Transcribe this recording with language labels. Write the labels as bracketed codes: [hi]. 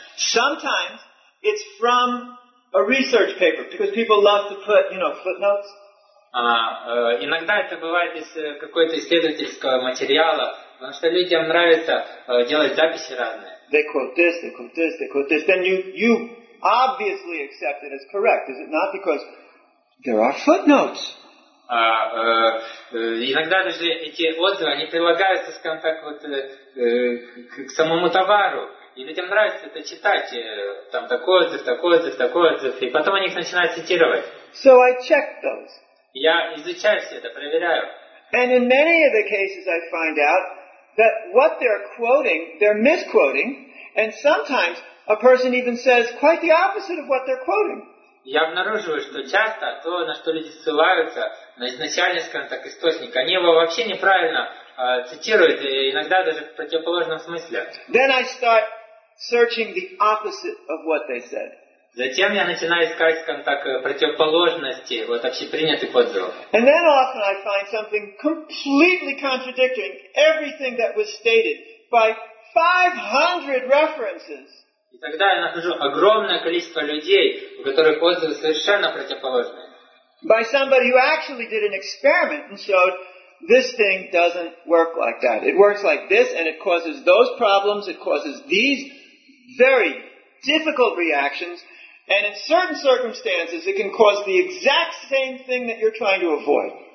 [en] Sometimes it's from a research paper, because people love to put, you know, footnotes. [ru] Иногда это бывает из какого-то исследовательского материала, потому что людям нравится делать записи разные. [en] They quote this, they quote this, they quote this. Then you obviously accept it as correct, is it not? Because there are footnotes. [ru] Иногда даже эти отзывы, они прилагаются, скажем так, вот, к самому товару. И людям нравится это читать. Там такой отзыв, такой отзыв, такой отзыв. И потом они их начинают цитировать. [en] So I check those. [ru] Я изучаю все это, проверяю. [en] And in many of the cases I find out that what they're quoting, they're misquoting, and sometimes a person even says quite the opposite of what they're quoting. [ru] Я обнаруживаю, что часто то, на что люди ссылаются, на изначальный, скажем так, источник, они его вообще неправильно цитируют, и иногда даже в противоположном смысле. [en] Then I start searching the opposite of what they said. [ru] Затем я начинаю искать, скажем так, противоположности вот, общепринятых отзывов. [en] And then often I find something completely contradicting everything that was stated by 500 references. [ru] И тогда я нахожу огромное количество людей, у которых отзывы совершенно противоположные. [en] By somebody who actually did an experiment and showed this thing doesn't work like that. It works like this, and it causes those problems. It causes these very difficult reactions, and in certain circumstances, it can cause the exact same thing that you're trying to avoid.